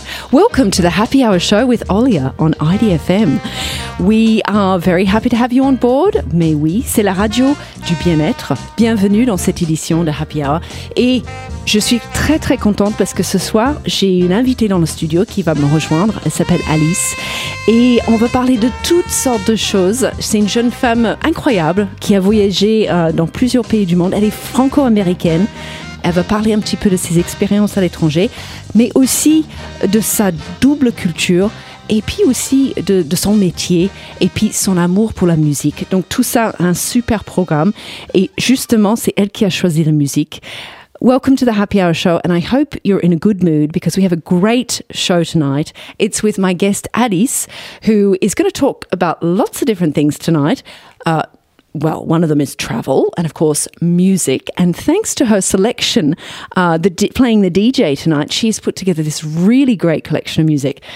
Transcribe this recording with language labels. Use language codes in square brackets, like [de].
[en] welcome to the Happy Hour Show with Olia on IDFM. We are very happy to have you on board. [fr] Mais oui, c'est la radio du bien-être. Bienvenue dans cette édition de Happy Hour. Et je suis très très contente parce que ce soir, j'ai une invitée dans le studio qui va me rejoindre. Elle s'appelle Alice. Et on va parler de toutes sortes de choses. C'est une jeune femme incroyable qui a voyagé dans plusieurs pays du monde. Elle est franco-américaine. Elle va parler un petit peu de ses expériences à l'étranger, mais aussi de sa double culture, et puis aussi de son métier, et puis son amour pour la musique. Donc tout ça, un super programme. Et justement, c'est elle qui a choisi la musique. [en] Welcome to the Happy Hour Show, and I hope you're in a good mood because we have a great show tonight. It's with my guest, Alice, who is going to talk about lots of different things tonight. Well, one of them is travel and, of course, music. And thanks to her selection, playing the DJ tonight, she's put together this really great collection of music.